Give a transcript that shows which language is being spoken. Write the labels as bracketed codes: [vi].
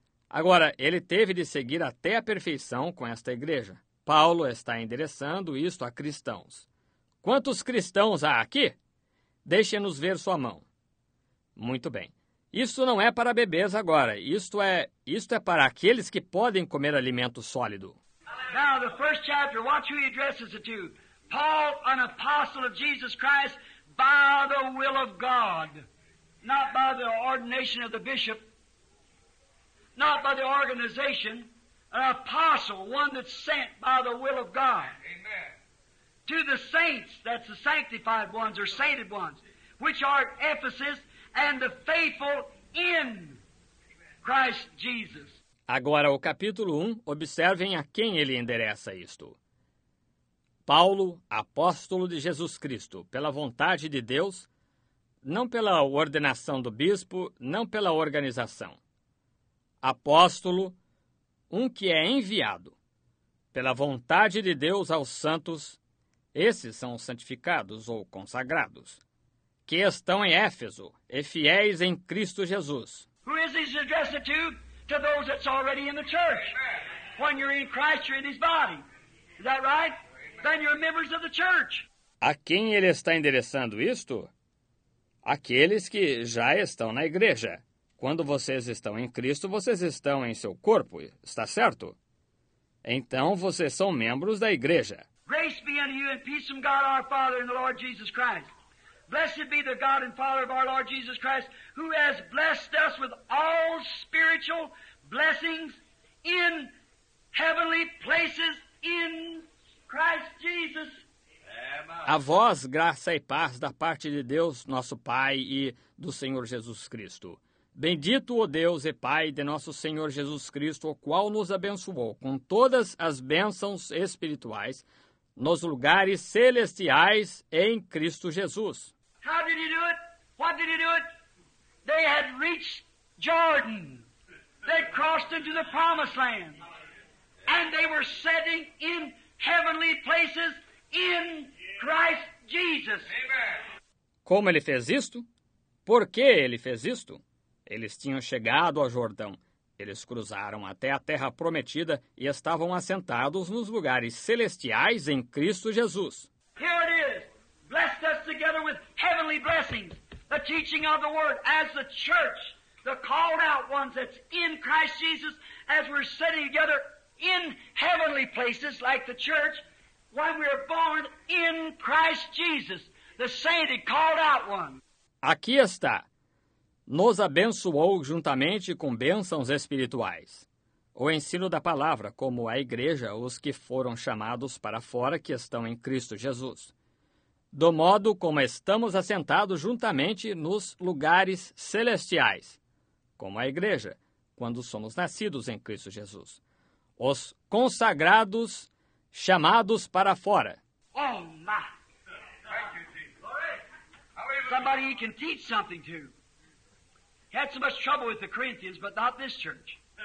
[pt] Agora, ele teve de seguir até a perfeição com esta igreja. Paulo está endereçando isto a cristãos. Quantos cristãos há aqui? Deixe-nos ver sua mão. Muito bem. Isto não é para bebês agora. Isto é para aqueles que podem comer alimento sólido. [en] Now, the first chapter, watch who he addresses it to. Paul, an apostle of Jesus Christ, by the will of God. Not by the ordination of the bishop. Not by the organization. An apostle, one that's sent by the will of God. Amen. To the saints, that's the sanctified ones or sainted ones, which are at Ephesus and the faithful in Christ Jesus. [pt] Agora, o capítulo 1, observem a quem ele endereça isto. Paulo, apóstolo de Jesus Cristo, pela vontade de Deus, não pela ordenação do bispo, não pela organização. Apóstolo, um que é enviado, pela vontade de Deus aos santos, esses são os santificados ou consagrados, que estão em Éfeso e fiéis em Cristo Jesus. Quem é esse [en] to those that's already in the church. Amen. When you're in Christ, you're in his body. Is that right? Amen. Then you're members of the church. [pt] A quem ele está endereçando isto? Aqueles que já estão na igreja. Quando vocês estão em Cristo, vocês estão em seu corpo, está certo? Então vocês são membros da igreja. [en] Grace be unto you and peace from God our Father and the Lord Jesus Christ. Blessed be the God and Father of our Lord Jesus Christ, who has blessed us with all spiritual blessings in heavenly places in Christ Jesus. [pt] A vós, graça e paz da parte de Deus, nosso Pai e do Senhor Jesus Cristo. Bendito o Deus e Pai de nosso Senhor Jesus Cristo, o qual nos abençoou com todas as bênçãos espirituais nos lugares celestiais em Cristo Jesus. [en] How did he do it? What did he do it? They had reached Jordan. They crossed into the promised land. And they were sitting in heavenly places in Christ Jesus. [pt] Como ele fez isto? Por que ele fez isto? Eles tinham chegado ao Jordão. Eles cruzaram até a terra prometida e estavam assentados nos lugares celestiais em Cristo Jesus. [en] Here it is. Blessed us together with heavenly blessings, the teaching of the word as the church, the called out ones that's in Christ Jesus, as we're sitting together in heavenly places like the church, when we're born in Christ Jesus, the sainted called out one. [pt] Aqui está. Nos abençoou juntamente com bênçãos espirituais. O ensino da palavra, como a igreja, os que foram chamados para fora que estão em Cristo Jesus. Do modo como estamos assentados juntamente nos lugares celestiais, como a igreja, quando somos nascidos em Cristo Jesus. Os consagrados chamados para fora. [en] Oh, my! Thank you, Jesus. Somebody he can teach something to. He had so much trouble with the Corinthians, but not this church.